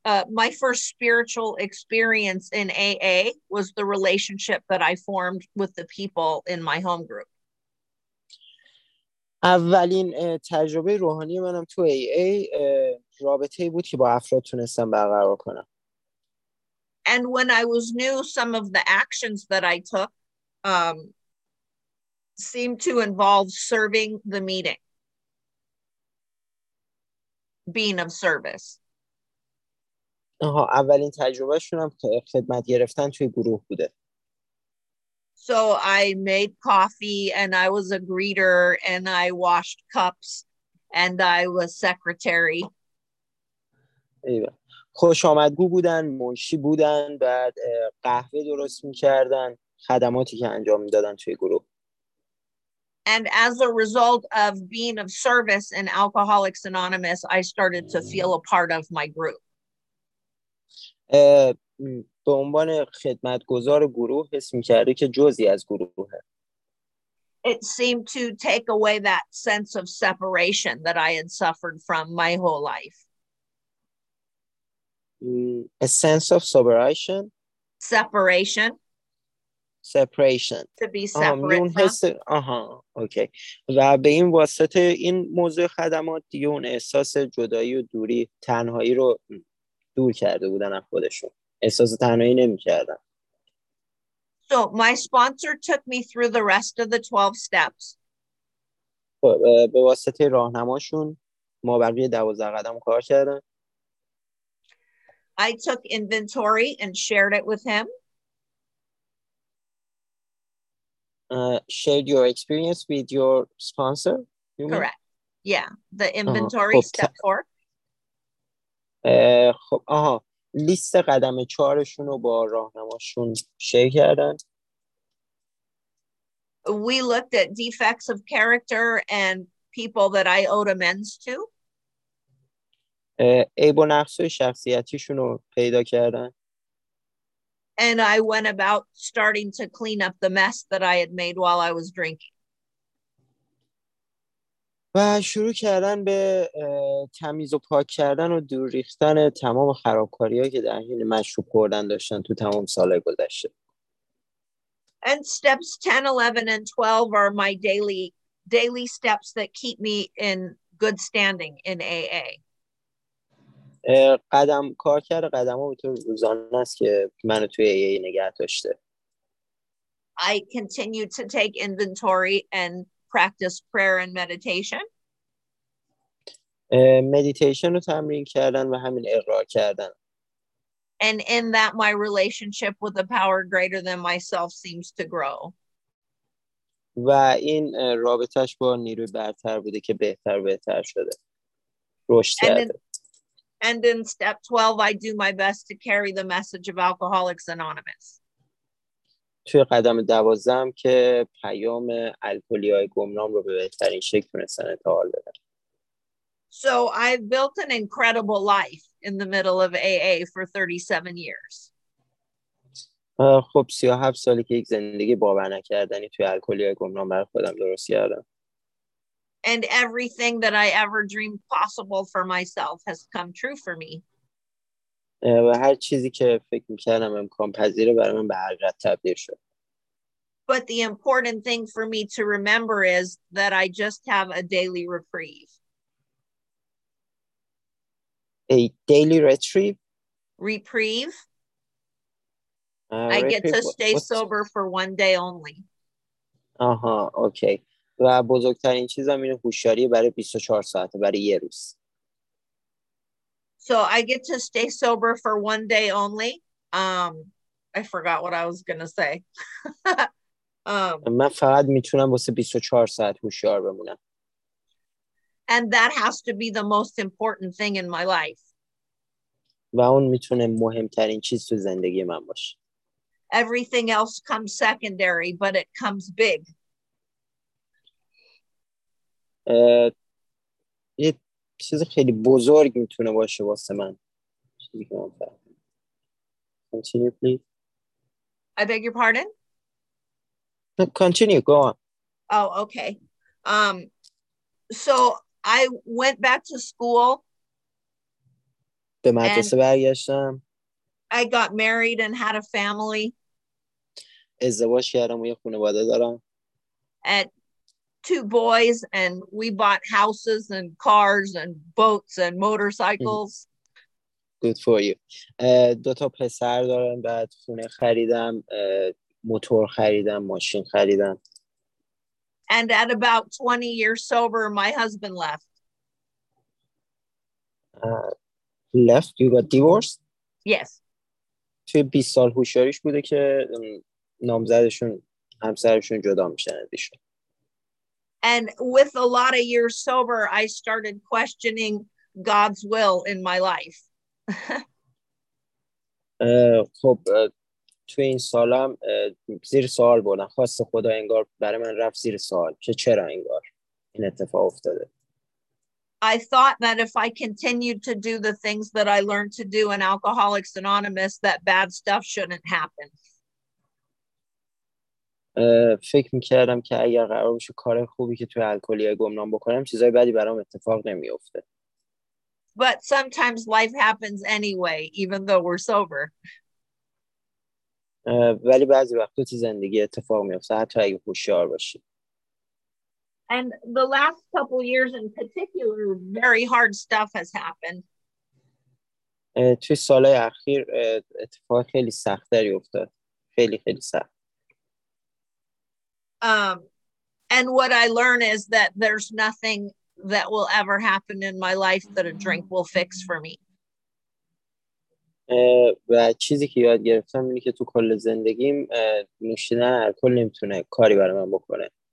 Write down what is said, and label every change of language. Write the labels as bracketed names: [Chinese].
[English] My first spiritual experience in AA was the relationship that I formed with the people in my home group. [Persian] اولین تجربه روحانی منم تو AA رابطه‌ای بود که با افراد تونستم برقرار کنم. [English] And when I was new, some of the actions that I took seemed to involve serving the meeting. being of service. [Persian] اولین تجربه شونم که خدمت گرفتن توی گروه بوده. [English] So I made coffee and I was a greeter and I washed cups and I was secretary. [Persian] خوش آمدگو بودن، منشی بودن، بعد قهوه درست می‌کردن، خدماتی که انجام می‌دادن توی گروه. [English] And as a result of being of service in Alcoholics Anonymous, I started to feel a part of my group. [Persian] به عنوان خدمتگزار گروه حس می‌کردم که جزئی از گروهه. [English] It seemed to take away that sense of separation that I had suffered from my whole life. A sense of separation? Separation. Separation. To be separate from. Okay. [Persian] و به این واسطه این موضوع خدمات دیگه اون احساس جدایی و دوری تنهایی رو دور کرده بودن از خودشون. احساس تنهایی نمی کردن. [English] So my sponsor took me through the rest of the 12 steps. [Persian] به واسطه راهنماشون ما برای 12 قدم کار کردیم. [English] I took inventory and shared it with him. Shared your experience with your sponsor? You Correct. Mean? Yeah, the inventory step 4. [Persian] لیست قدم چهارشون رو با راهنماشون شیر کردن. [English] We looked at defects of character and people that I owed amends to. [Persian] عیب و نقص‌های شخصیتیشون رو پیدا کردن. [English] And I went about starting to clean up the mess that I had made while I was drinking. [Persian] و شروع کردن به تمیز و پاک کردن و دور ریختن تمام خرابکاری‌هایی که در حین مشروب خوردن داشتن تو تمام سال گذشته. [English] And steps 10, 11 and 12 are my daily steps that keep me in good standing in AA. [Persian] قدم کار کرده قدم‌ها به طور روزانه است که منو توی AA نگه داشته. [English] I continue to take inventory and practice prayer and meditation. [Persian] Meditation رو تمرین کردن و همین اقرار کردن. [English] And in that my relationship with a power greater than myself seems to grow. [Persian] و این رابطه‌اش با نیروی برتر بوده که بهتر و بهتر شده. رشد کرده. [English] And in step 12 I do my best to carry the message of Alcoholics Anonymous. [Persian] توی قدم دوازدهم که پیام الکلی‌های گمنام رو به بهترین شکل تونستن انتقال بدن. [English] So I've built an incredible life in the middle of AA for 37 years. [Persian] خب 37 سالی که یک زندگی باور نکردنی توی الکلی‌های گمنام برای خودم درست کردم. [English] And everything that I ever dreamed possible for myself has come true for me. [Persian] و هر چیزی که فکر می‌کردم امکان پذیر برای من به حقیقت تبدیل شد. [English] But the important thing for me to remember is that I just have a daily reprieve. A daily retrieve? Reprieve. I get to stay sober for one day only. Okay. [Persian] و بزرگترین چیزم اینه هوشیاری برای 24 ساعته برای یه روز. [English] So I get to stay sober for one day only. I forgot what I was going to say. [Persian] من فقط میتونم واسه 24 ساعت هوشیار بمونم. [English] And that has to be the most important thing in my life. [Persian] و اون میتونه مهمترین چیز تو زندگی من باشه. [English] Everything else comes secondary, but it comes big. [Persian] یه چیز خیلی بزرگ میتونه باشه واسه من. چیزی که من فهمیدم. [English] Continue, please. I beg your pardon? No, continue, go on. Oh, okay. So I went back to school. [Persian] به مدرسه برگشتم. [English] I got married and had a family. [Persian] ازدواج کردم و یه خانواده دارم. [English] At two boys and we bought houses and cars and boats and motorcycles. Good for you. [Persian] دو تا پسر دارم بعد خونه خریدم موتور خریدم ماشین خریدم. [English] And at about 20 years sober my husband left. left, you got divorced. Yes. [Persian] توی 20 سال هوشیاریش بوده که نامزدشون همسرشون جدا میشن ازشون. [English] And with a lot of years sober, I started questioning God's will in my life. [Persian] خب توی این سالم زیر سوال بودم. خواست خدا انگار برای من رفت زیر سوال. چرا انگار این اتفاق افتاده؟ [English] I thought that if I continued to do the things that I learned to do in Alcoholics Anonymous, that bad stuff shouldn't happen. [Persian] فکر میکردم که اگر قرار بشه کار خوبی که توی الکلیه گمنام بکنم چیزای بدی برام اتفاق نمیفته. [English] But sometimes life happens anyway, even though we're sober. [Persian] ولی بعضی وقت تو زندگی اتفاق میفته حتی اگه هوشیار باشی. [English] And the last couple years in particular, very hard stuff has happened. [Persian] توی سالهای اخیر اتفاق خیلی سختری افتاد. خیلی خیلی سخت. [English] And what I learn is that there's nothing that will ever happen in my life that a drink will fix for me. [Persian] و چیزی که یاد گرفتم اینه که تو کل زندگیم نوشیدن الکل نمیتونه کاری برای من بکنه.